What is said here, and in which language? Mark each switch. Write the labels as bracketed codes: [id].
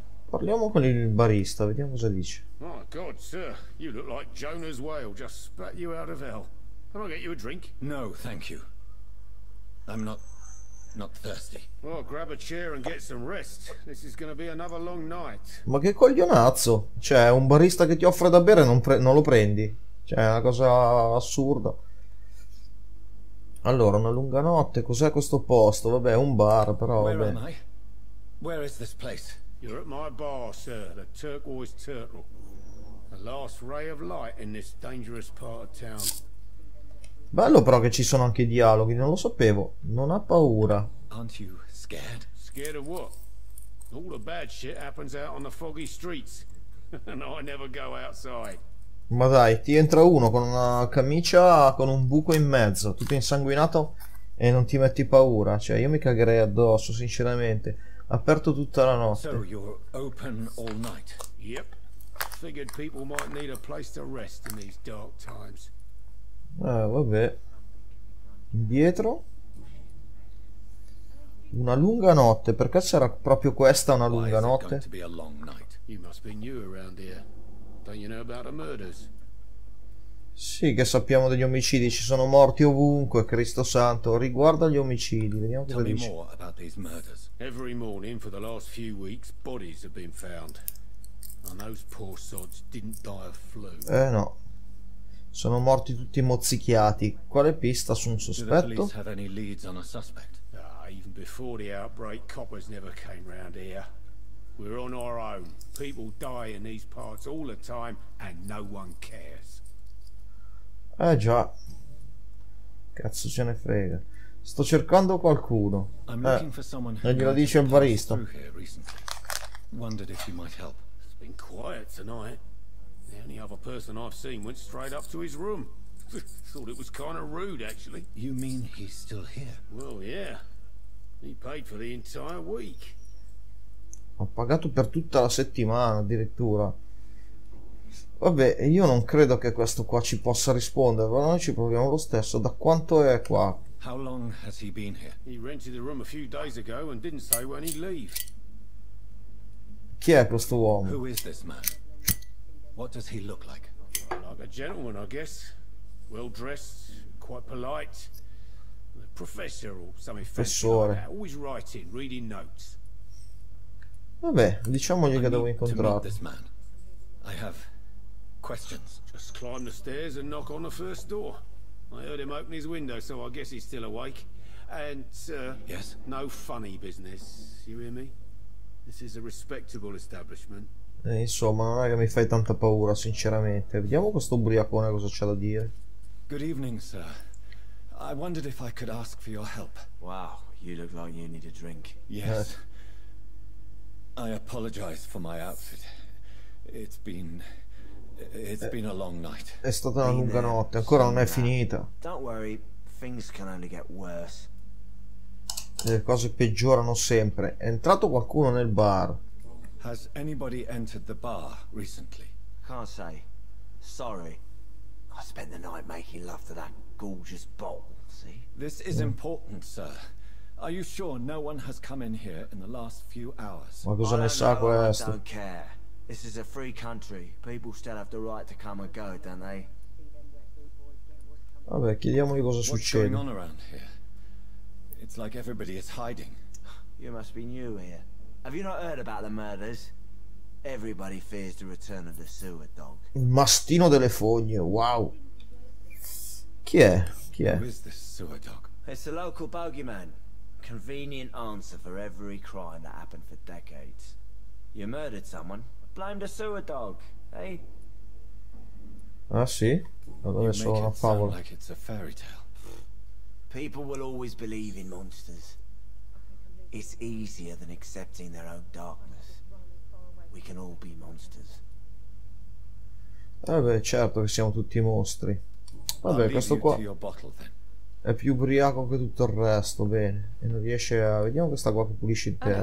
[it] Parliamo con il barista, vediamo cosa dice. [en] Oh God, sir, you look like Jonah's whale just spat you out of hell. Can I get you a drink? No, thank you. I'm not thirsty. Oh, grab a chair and get some rest. This is gonna be another long night. [it] Ma che coglionazzo! Cioè, un barista che ti offre da bere non lo prendi. Cioè, è una cosa assurda. Allora, una lunga notte, cos'è questo posto? Vabbè, un bar, però vabbè. [en] Where am I? Where is this place? You're at my bar, sir, the Turquoise Turtle. The last ray of light in this dangerous part of town. [it] Bello però che ci sono anche i dialoghi, non lo sapevo. Non ha paura. [en] Aren't you scared? Scared of what? All the bad shit happens out on the foggy streets. And I never go outside. [it] Ma dai, ti entra uno con una camicia con un buco in mezzo, tutto insanguinato, e non ti metti paura. Cioè, io mi cagherei addosso, sinceramente. Aperto tutta la notte. [en] So you're open all night. Yep. Figured people might need a place to rest in these dark times. [it] Vabbè. Indietro. Una lunga notte. Perché sarà proprio questa una lunga notte? [en] You must be new around here. Don't you know about the murders? [it] Sì, che sappiamo degli omicidi. Ci sono morti ovunque, Cristo santo. Riguardo agli omicidi, vediamo cosa dice. [en] Tell me more about these murders. Every morning for the last few weeks, bodies have been found. And those poor sods didn't die of flu. No. [it] Sono morti tutti mozzicchiati. Quale pista su un sospetto? [en] Do the police have any leads on a suspect? Even before the outbreak, coppers never came round here. We're on our own. People die in these parts all the time, and no one cares. [it] Eh già. Cazzo ce ne frega. Sto cercando qualcuno. E glielo dice il barista. [en] Wondered if you might help. It's been quiet tonight. The only other person I've seen went straight up to his room. Thought it was kind of rude, actually. You mean he's still here? Well, yeah. He paid for the entire week. [it] Ho pagato per tutta la settimana, addirittura. Vabbè, io non credo che questo qua ci possa rispondere, ma noi ci proviamo lo stesso. Da quanto è qua? [en] How long has he been here? He rented the room a few days ago and didn't say when he'd leave. [it] Chi è questo uomo? [en] Who is this man? What does he look like? Like a gentleman, I guess. Well dressed, quite polite. A professor or something. [it] Professore. [en] Like always writing, reading notes. [it] Vabbè, diciamogli che devo incontrarlo. [en] This man. I have questions. Just climb the stairs and knock on the first door. I heard him open his window, so I guess he's still awake. And, yes? No funny business, you hear me? This is a respectable establishment. [it] Insomma, non è che mi fai tanta paura, sinceramente. Vediamo questo ubriacone cosa c'ha da dire. [en] Good evening, sir. I wondered if I could ask for your help. Wow, you look like you need a drink. Yes. I apologize for my outfit. It's been a long night. [it] È stata una lunga notte, ancora non è finita. [en] Don't worry, things can only get worse. [it] Le cose peggiorano sempre. È entrato qualcuno nel bar. [en] Has anybody entered the bar recently? Can't say. Sorry. I spent the night making love to that gorgeous bottle, see? This is important, sir. Are you sure no one has come in here in the last few hours? [it] Ma cosa ne sa questo? [en] I don't care. This is a free country. People still have the right to come and go, don't they? [it] Vabbè, chiediamogli cosa [en] What's [it] succede. [en] What's going on around here? It's like everybody is hiding. You must be new here. Have you not heard about the murders? Everybody fears the return of the sewer dog. [it] Il mastino delle fogne, wow. Chi è? Chi è? [en] Who is this sewer dog? It's a local bogeyman. Convenient answer for every crime that happened for decades. You murdered someone. Blame the sewer dog, eh? [it] Ah sì? Allora è solo una favola. [en] Like it's a fairy tale. People will always believe in monsters. It's easier than accepting their own darkness. We can all be monsters. [it] Vabbè, certo che siamo tutti mostri. Vabbè, questo qua è più ubriaco che tutto il resto, bene. E non riesce a... Vediamo questa qua che pulisce il terra.